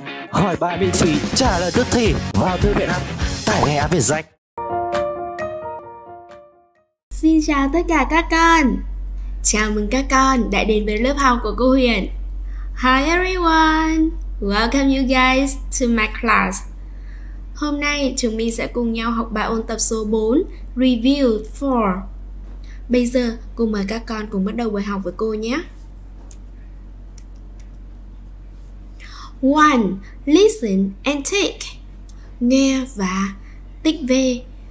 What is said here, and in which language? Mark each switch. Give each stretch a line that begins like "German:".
Vietnamese: Hỏi bài miễn phí, trả lời tức thì vào thư viện app, tải nghe về danh. Xin chào tất cả các con. Chào mừng các con đã đến với lớp học của cô Huyền.
English: Hi everyone, welcome you guys to my class.
Vietnamese: Hôm nay chúng mình sẽ cùng nhau học bài ôn tập số 4, Review 4. Bây giờ cô mời các con cùng bắt đầu buổi học với cô nhé. 1.
English: Listen and tick.
Vietnamese: Nghe và tick về.